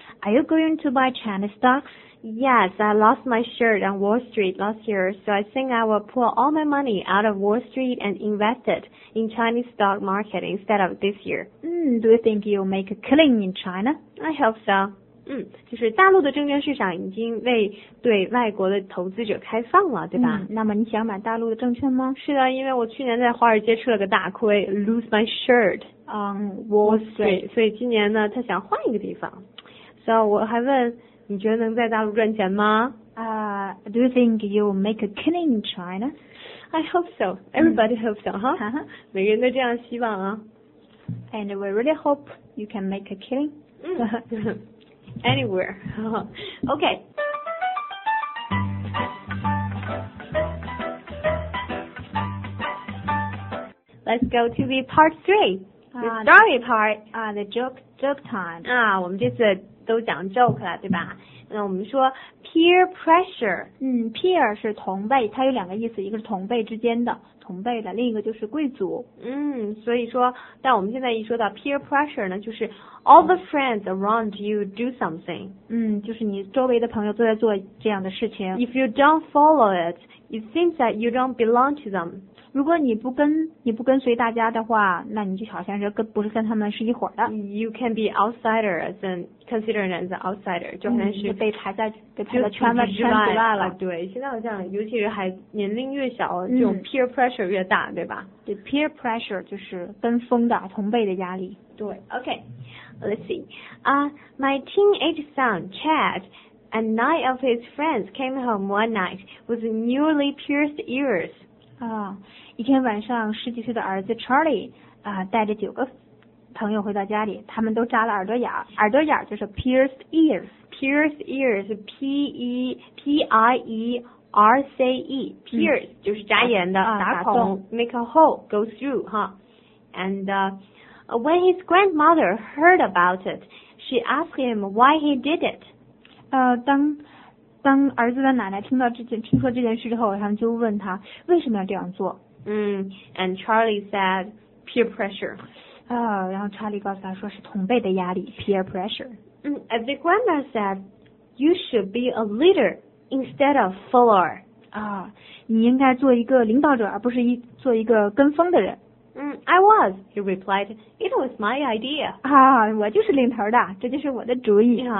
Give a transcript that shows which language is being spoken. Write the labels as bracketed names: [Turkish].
[English] So, are you going to buy Chinese stocks？ Yes, I lost my shirt on Wall Street last year, so I think I will pull all my money out of Wall Street and invest it in Chinese stock market instead of this year. Do you think you'll make a killing in China? I hope so. [Chinese] 就是大陆的证券市场已经为对外国的投资者开放了，对吧？那么你想买大陆的证券吗？是的，因为我去年在华尔街吃了个大亏 , [English] lose my shirt on Wall Street. [Chinese] 所以今年呢他想换一个地方。 So, 我还问你觉得能在大陆赚钱吗？ [English] Do you think you'll make a killing in China? I hope so. Everybody hopes so, huh? [Chinese] 每个人都这样希望啊。 [English] And we really hope you can make a killing. Anywhere. Okay. Let's go to the part three. The story part. The joke time. [Chinese] 啊，我们这次都讲 joke 了，对吧？那我们说 peer pressure， peer 是同辈，它有两个意思，一个是同辈之间的同辈的，另一个就是贵族。所以说，但我们现在一说到 peer pressure 呢，就是 [English] all the friends around you do something。 [Chinese] 就是你周围的朋友都在做这样的事情。 [English] If you don't follow it, it seems that you don't belong to them。 [Chinese] 如果你不跟随大家的话，那你就好像是不是跟他们是一伙的。 [English] You can be outsider as an considered as an outsider， [Chinese] 就好像是被排在圈子外了。对，现在好像尤其是还年龄越小，这种 peer pressure 越大，对吧？对 ，peer pressure 就是跟风的同辈的压力。 [English] 对 ，OK，Let's see， my teenage son Chad and 9 of his friends came home one night with newly pierced ears。 [Chinese] 一天晚上十几岁的儿子 Charlie 带着九个朋友回到家里，他们都扎了耳朵眼，耳朵眼就是 pierced ears， [English] pierced ears， P-I-E-R-C-E， pierced [Chinese] 就是扎眼的，打孔， [English] make a hole go through， 哈， and When his grandmother heard about it, she asked him why he did it. [Chinese] 当儿子的奶奶听说这件事之后，他们就问他为什么要这样做。 [English] And Charlie said peer pressure. [Chinese] 然后查理告诉他说是同辈的压力 peer pressure. [English] And the grandma said, you should be a leader instead of follower. [Chinese] 你应该做一个领导者而不是做一个跟风的人。 [English] I was, he replied. It was my idea. [Chinese] 我就是领头的，这就是我的主意。